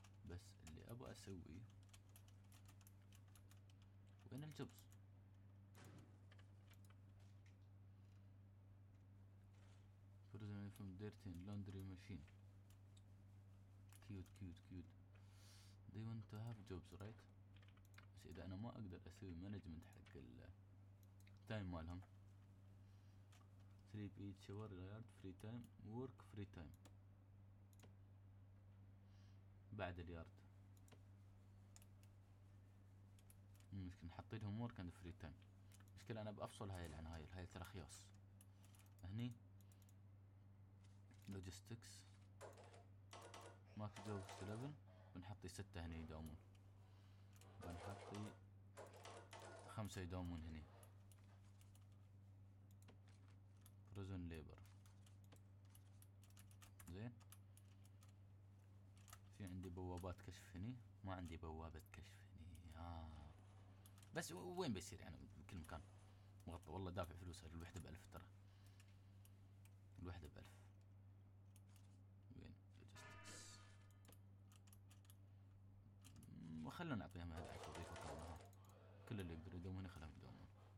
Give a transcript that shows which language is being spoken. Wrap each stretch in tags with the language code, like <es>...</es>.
<ar>بس اللي ابغى اسويه، وين الجوبز؟</ar> <en>frozen from ديرتين laundry machine, cute cute</en> <ar>كيوت.</ar> <en>They want to have jobs right.</en> <ar>بس اذا انا ما اقدر اسوي مانجمنت حق التايم مالهم.</ar> <en>sleep eat shower yard free time work free time</en> <ar>بعد اليارد، ممكن نحط لهم</ar> <en>work and free time.</en> <ar>مشكلة انا بافصل هاي عن هاي، هاي ترخيص. هني</ar> <en>logistics max jobs</en> <ar>11، بنحطي 6 هني يدومون، بنحطي 5 يدومون هني.</ar> <en>prison labor زين.</en> <ar>في عندي بوابات كشف هني، ما عندي بوابة كشف هني. بس وين بيصير يعني؟ بكل مكان مغطى. والله دافع فلوسها الوحدة بألف، ترى الوحدة بألف. وين logistics؟ وخلنا نعطيهم هذا الحكي وظيفة كلها، كل اللي يقدروا يدومون يخلهم يدومون.</ar>